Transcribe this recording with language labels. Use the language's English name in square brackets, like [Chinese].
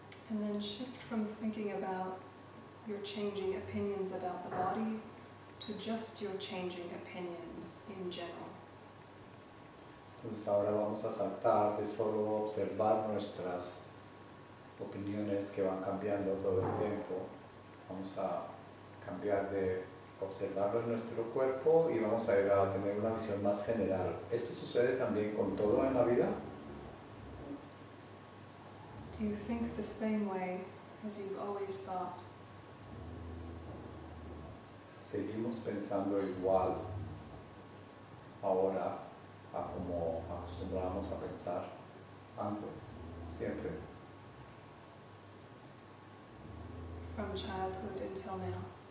[English] And then shift from thinking about your changing opinions about the body to just your changing opinions in general. [Spanish] Entonces ahora vamos a saltar de solo observar nuestras opiniones que van cambiando todo el tiempo. Vamos a cambiar de observar nuestro cuerpo y vamos a ir a tener una visión más general. ¿Esto sucede también con todo en la vida? [English] Do you think the same way as you've always thought? [Spanish] Seguimos pensando igual ahora a como acostumbramos a pensar antes, siempre. [English] From childhood until now.